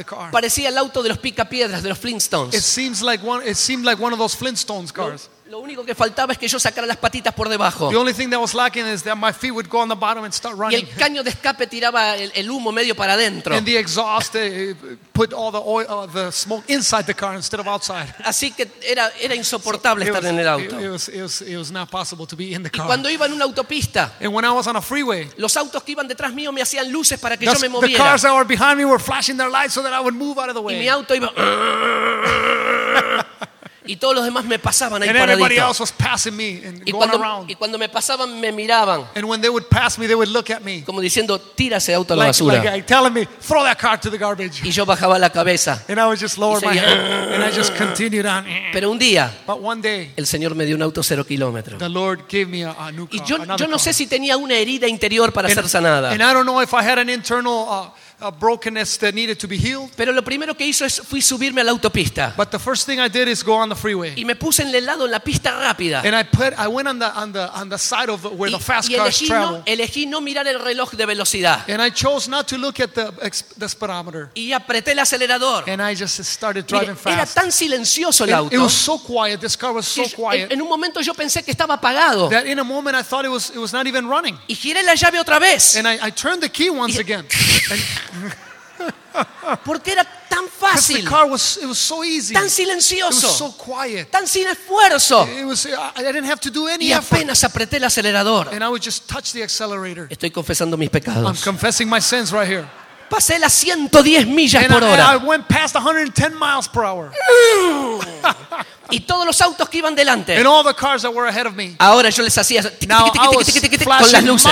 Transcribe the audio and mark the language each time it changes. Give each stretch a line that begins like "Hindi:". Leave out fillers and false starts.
Spanish: Parecía el auto de los picapiedras, de los Flintstones.
English: It seemed like one of those Flintstones cars.
Spanish: Lo único que faltaba es que yo sacara las patitas por debajo.
English: The only thing that was lacking is that my feet would go on the bottom and start running.
Spanish: Y el caño de escape tiraba el humo medio para adentro.
English: And the exhaust put all the oil, the smoke inside the car instead of outside.
Spanish: Así que era insoportable estar en el auto.
English: It was not possible to be in the car.
Spanish: Y cuando iba en una autopista.
English: And when I was on a freeway.
Spanish: Los autos que iban detrás mío me hacían luces para que yo me moviera.
English: The cars that were behind me were flashing their lights so that I would move out of the way.
Spanish: Y mi auto iba. Y todos los demás me pasaban ahí
English: and
Spanish: paradito.
English: Everybody else was passing me and
Spanish: y cuando,
English: going around.
Spanish: Y cuando me pasaban me miraban.
English: And when they would pass me, they would look at me.
Spanish: Como diciendo, tira ese auto a la basura.
English: Like telling me, throw that car to the garbage.
Spanish: Y yo bajaba la cabeza.
English: And I would just lower my head. And I just continued on.
Spanish: Pero un día,
English: but one day,
Spanish: el Señor me dio un auto cero kilómetro.
English: The Lord gave me a new car.
Spanish: Y yo no sé si tenía una herida interior para ser sanada.
English: And I don't know if I had an internal a brokenness that needed to be healed.
Spanish: Pero lo primero que hizo es fui subirme a la autopista.
English: But the first thing I did is go on the freeway.
Spanish: Y me puse en el lado en la pista rápida.
English: And I went on the side of where the fast cars travel.
Spanish: Elegí no mirar el reloj de velocidad.
English: And I chose not to look at the speedometer.
Spanish: Y apreté el acelerador.
English: And I just started driving fast.
Spanish: Era tan silencioso el auto.
English: It was so quiet. This car was so quiet.
Spanish: En un momento yo pensé que estaba apagado.
English: That in a moment I thought it was not even running.
Spanish: Y giré la llave otra vez.
English: And I turned the key once again.
Spanish: Porque era tan fácil.
English: The car was so easy.
Spanish: Tan silencioso.
English: It was so quiet.
Spanish: Tan sin esfuerzo.
English: I didn't have to do any
Spanish: y apenas
English: effort.
Spanish: Apreté el acelerador.
English: And I would just touch the accelerator.
Spanish: Estoy confesando mis pecados.
English: I'm confessing my sins right here.
Spanish: Pasé las 110 millas por hora.
English: I went past 110 miles per hour.
Spanish: Y todos los autos que iban delante.
English: And all the cars that were ahead of me.
Spanish: Ahora yo les hacía tiki, tiki, tiki, tiki, tiki, tiki, tiki, con las luces.